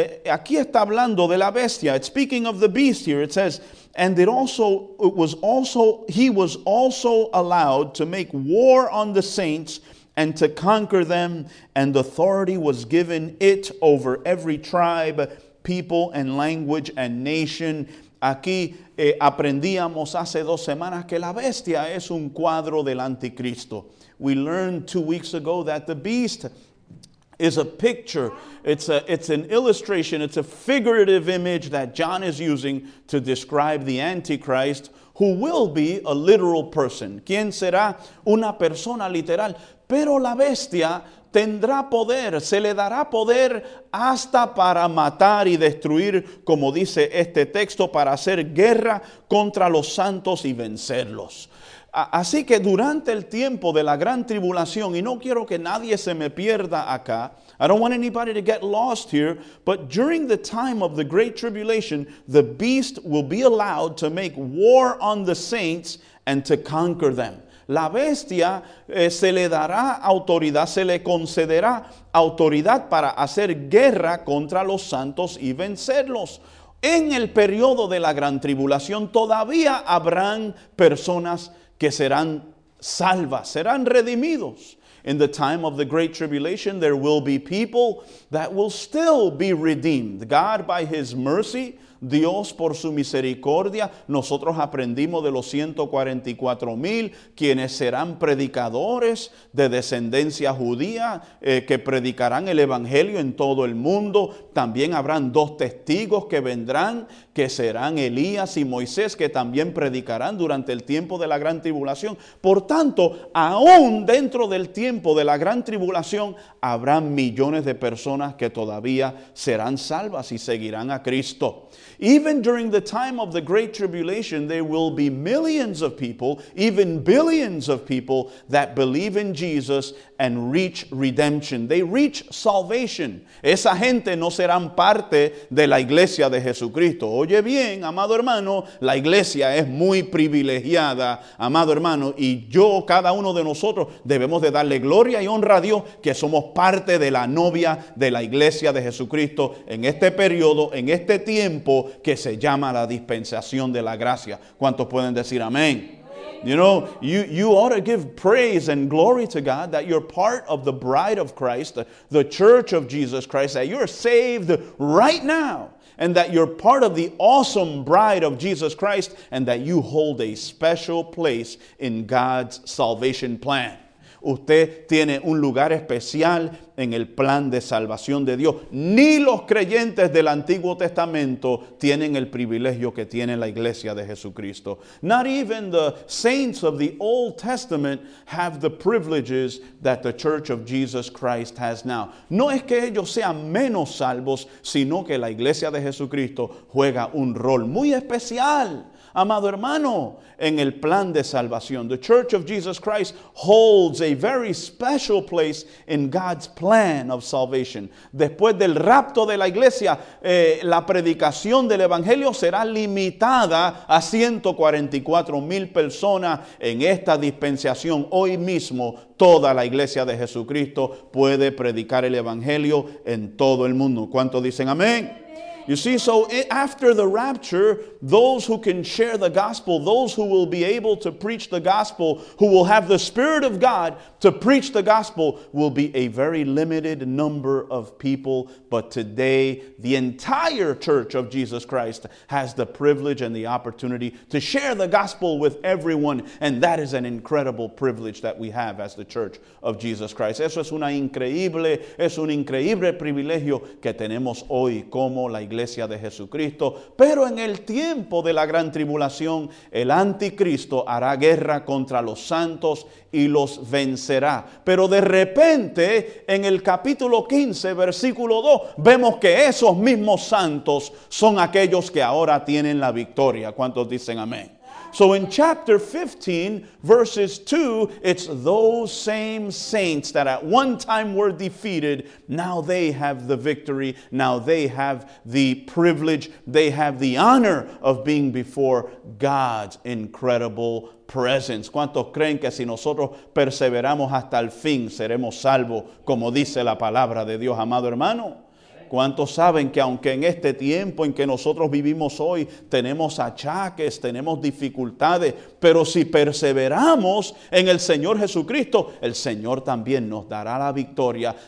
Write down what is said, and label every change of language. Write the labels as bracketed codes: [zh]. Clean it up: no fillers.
[es] Aquí está hablando de la bestia. [en] It's speaking of the beast here. It says, and it also it was also he was also allowed to make war on the saints and to conquer them, and authority was given it over every tribe, people and language and nation. [es] Aquí aprendíamos hace dos semanas que la bestia es un cuadro del anticristo. [en] We learned 2 weeks ago that the beast is a picture, it's an illustration, it's a figurative image that John is using to describe the Antichrist, who will be a literal person. [es] ¿Quién será? Una persona literal. Pero la bestia tendrá poder, se le dará poder hasta para matar y destruir, como dice este texto, para hacer guerra contra los santos y vencerlos. Así que durante el tiempo de la gran tribulación, y no quiero que nadie se me pierda acá, [en] I don't want anybody to get lost here, but during the time of the great tribulation, the beast will be allowed to make war on the saints and to conquer them. [es] La bestia se le dará autoridad, se le concederá autoridad para hacer guerra contra los santos y vencerlos. En el periodo de la gran tribulación todavía habrán personas que serán salvas, serán redimidos. [en] In the time of the great tribulation, there will be people that will still be redeemed. God, by his mercy, [es] Dios, por su misericordia, nosotros aprendimos de los 144,000 quienes serán predicadores de descendencia judía que predicarán el evangelio en todo el mundo. También habrán dos testigos que vendrán, que serán Elías y Moisés, que también predicarán durante el tiempo de la gran tribulación. Por tanto, aún dentro del tiempo de la gran tribulación, habrán millones de personas que todavía serán salvas y seguirán a Cristo. [en] Even during the time of the great tribulation, there will be millions of people, even billions of people, that believe in Jesus and reach redemption. They reach salvation. [es] Esa gente no serán parte de la iglesia de Jesucristo. Oye bien, amado hermano, la iglesia es muy privilegiada, amado hermano, y yo, cada uno de nosotros, debemos de darle gloria y honra a Dios que somos parte de la novia de la iglesia de Jesucristo en este periodo, en este tiempo que se llama la dispensación de la gracia. ¿Cuántos pueden decir amén? [en] You know, you ought to give praise and glory to God that you're part of the bride of Christ, the church of Jesus Christ, that you're saved right now, and that you're part of the awesome bride of Jesus Christ, and that you hold a special place in God's salvation plan. [es] Usted tiene un lugar especial en el plan de salvación de Dios. Ni los creyentes del Antiguo Testamento tienen el privilegio que tiene la iglesia de Jesucristo. [en] Not even the saints of the Old Testament have the privileges that the Church of Jesus Christ has now. [es] No es que ellos sean menos salvos, sino que la iglesia de Jesucristo juega un rol muy especial, amado hermano, en el plan de salvación. [en] The Church of Jesus Christ holds a very special place in God's plan of salvation. [es] Después del rapto de la iglesia, la predicación del evangelio será limitada a 144,000 personas en esta dispensación. Hoy mismo, toda la iglesia de Jesucristo puede predicar el evangelio en todo el mundo. ¿Cuántos dicen amén? [en] You see, so after the rapture, those who can share the gospel, those who will be able to preach the gospel, who will have the Spirit of God to preach the gospel, will be a very limited number of people. But today, the entire Church of Jesus Christ has the privilege and the opportunity to share the gospel with everyone. And that is an incredible privilege that we have as the Church of Jesus Christ. [es] Eso es un increíble privilegio que tenemos hoy como la iglesia de Jesucristo. Pero en el tiempo de la gran tribulación, el anticristo hará guerra contra los santos y los vencerá. Pero de repente, en el capítulo 15, versículo 2, vemos que esos mismos santos son aquellos que ahora tienen la victoria. ¿Cuántos dicen amén? [en] So in chapter 15, verses 2, it's those same saints that at one time were defeated. Now they have the victory. Now they have the privilege. They have the honor of being before God's incredible presence. [es] ¿Cuántos creen que si nosotros perseveramos hasta el fin, seremos salvos, como dice la palabra de Dios, amado hermano? ¿Cuántos saben que aunque en este tiempo en que nosotros vivimos hoy tenemos achaques, tenemos dificultades, pero si perseveramos en el Señor Jesucristo, el Señor también nos dará la victoria?